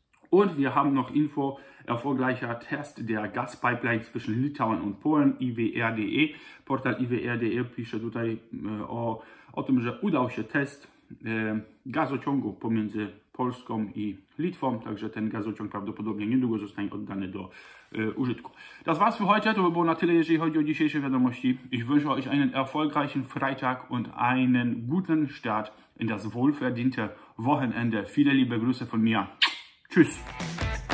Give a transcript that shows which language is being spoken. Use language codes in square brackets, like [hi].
[de] Und wir haben noch Info, erfolgreicher Test der Gaspipeline zwischen Litauen und Polen, IWR.de. [pl] Portal IWR.de pisze tutaj o tym, że udał się test gazociągu pomiędzy Polską i Litwą, także ten gazociąg prawdopodobnie niedługo zostanie oddany do użytku. [de] Das war's für heute, [pl] to by było na tyle, jeżeli chodzi o dzisiejsze wiadomości. [de] Ich wünsche euch einen erfolgreichen Freitag und einen guten Start in das wohlverdiente Wochenende. Viele liebe Grüße von mir. Tschüss.